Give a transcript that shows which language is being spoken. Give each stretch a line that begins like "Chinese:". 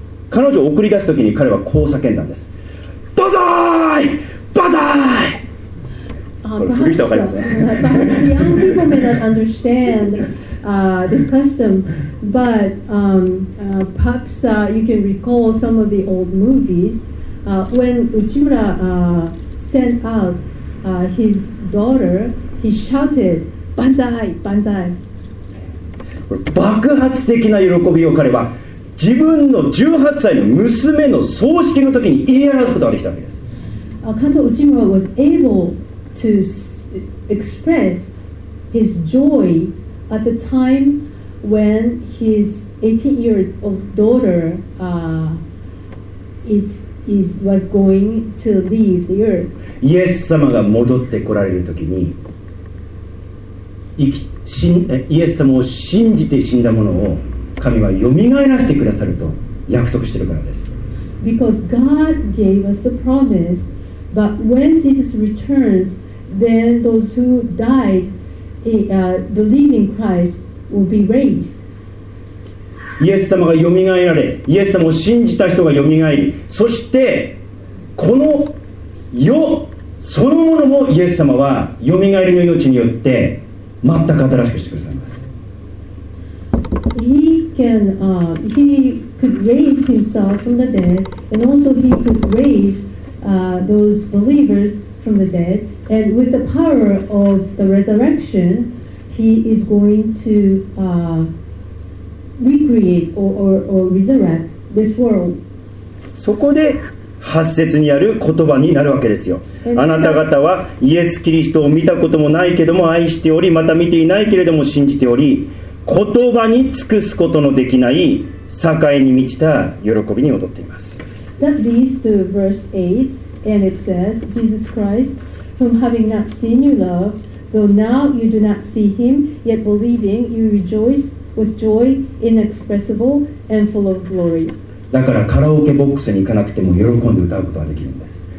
Japanese: 彼女を送り出すときに彼はこう叫んだんです。バザーイ！バザーイ！これ古い人は分かりますね。
English: Perhaps young people may not understand this custom, but perhaps you can recall some of the old movies. When Uchimura sent out his daughter, he shouted, "Banzai, banzai!"
Japanese: これ爆発的な喜びを彼は自分の18歳の娘の葬式の時に言い表すことができたわけです。
English: Kanzo Uchimura was able to express his joy at the time when his 18-year-old daughter was going to leave the earth.
Japanese: イエス様が戻ってこられるときに、イエス様を信じて死んだものを神はよみがえらせてくださると約束しているからです。
English: Because God gave us the promise, but when Jesus returns, then those who died believing Christ will be raised.
Japanese: イエス様がよみがえられ、イエス様を信じた人がよみがえり、そしてこの世そのものもイエス様はよみがえりの命によって全く新しくしてくださいます。
English: He could raise himself from the dead, and also he could raise those believers from the dead, and with the power of the resurrection, he is going to recreate or resurrect this world.
Japanese: そこで8節にある言葉になるわけですよ。あなた方はイエス・キリストを見たこともないけども愛しており、また見ていないけれども信じており、言葉に尽くすことのできない栄に満ちた喜びに踊っています。
English: That leads to verse 8, and it says, Jesus Christ, whom having not seen you love, though now you do not see him, yet believing, you rejoiceWith joy inexpressible and full of glory.
Japanese: だからカラオケボックスに行かなくても喜んで歌うことができるんです。